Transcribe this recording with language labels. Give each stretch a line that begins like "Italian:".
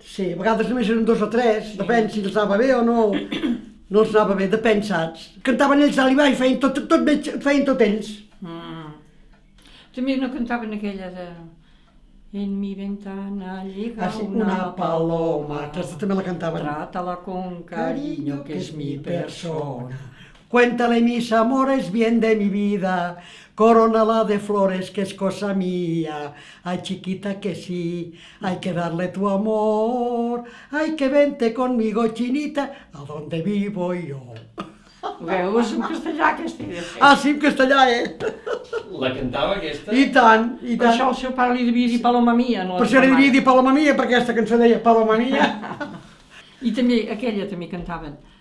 Catalan: Sí, a vegades només eren dos o tres, sí. Depèn si els anava bé o no. No els anava bé, depèn, saps? Cantaven ells dalt i baix, feien tot ells. Mm. També no cantaven aquella de...
Spanish: En mi ventana llega una paloma.
Catalan: Aquesta també la cantaven.
Spanish: Trátala con cariño, que es mi persona. Cuéntale mis amores bien de mi vida, corónala de flores, que es cosa mía. Ay, chiquita, que sí, hay que darle tu amor. Ay, que vente conmigo, chinita, a donde vivo yo.
Catalan: Ho veus en castellà, aquesta idea? Ah, sí, en castellà, eh? La cantava, aquesta? I tant, i tant. Per això el seu pare li devia dir Paloma Mia. No per això li devia dir Paloma Mia, perquè aquesta cançó deia Paloma Mia. I també, aquella també cantaven.